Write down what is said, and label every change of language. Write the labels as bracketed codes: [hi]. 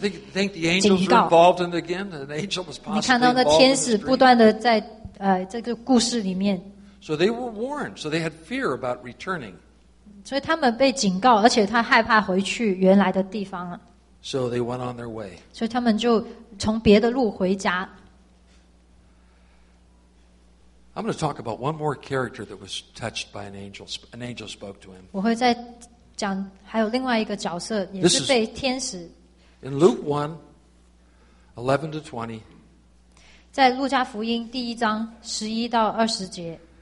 [en] Do you think the angels were involved in it again? An angel was possibly involved in the dream. [zh] 你看到那天使不断的在这个故事里面。 [en] So they were warned. So they had fear about returning. [zh] 所以他们被警告，而且他害怕回去原来的地方了。 [en] So they went on their way. [zh] 所以他们就从别的路回家。 [en] I'm going to talk about one more character that was touched by an angel. An angel spoke to him. [zh] 我会再讲还有另外一个角色也是被天使。 [en] In Luke 1, 11 to 20, [zh] 在路加福音第一章十一到二十节